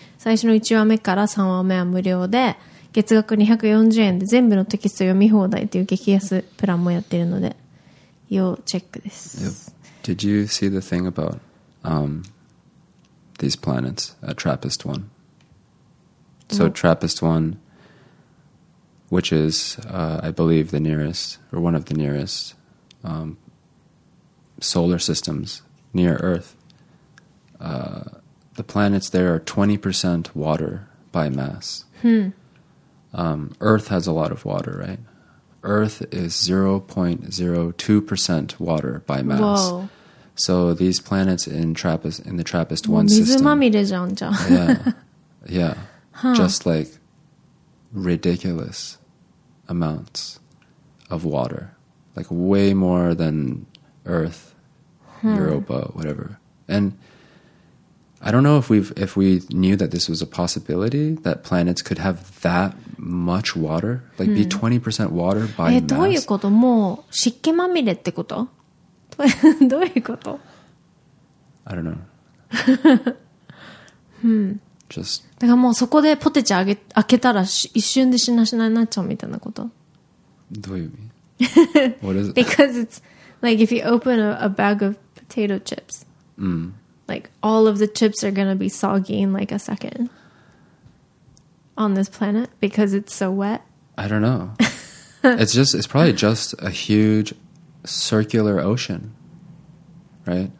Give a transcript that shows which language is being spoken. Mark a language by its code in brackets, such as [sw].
[ja] 最初の1話目から3話目は無料で、月額240円で全部のテキスト読み放題という激安プランもやっているので要チェックです。 [en] Did you see the thing about these planets at TRAPPIST-1? So TRAPPIST-1, which is, I believe, the nearest, or one of the nearest solar systems near Earth. The planets there are 20% water by mass. Earth has a lot of water, right? Earth is 0.02% water by mass. Whoa. So these planets in the TRAPPIST-1 system... [ja] 水まみれじゃんじゃん。 [en] Yeah. Yeah. Huh. Just like ridiculous amounts of water, like way more than Earth, Europa, whatever. And I don't know if we knew that this was a possibility, that planets could have that much water, like be 20% water by mass. [ja] どういうこと？もう湿気まみれってこと？どういうこと？ [en] I don't know. Just. [ja] だからもうそこでポテチ開けたら一瞬でしなしなになっちゃうみたいなこと？どういう意味 [en] What is it? Because it's like if you open a bag of potato chips, like all of the chips are going to be soggy in like a second on this planet because it's so wet. I don't know. it's probably just a huge circular ocean, right?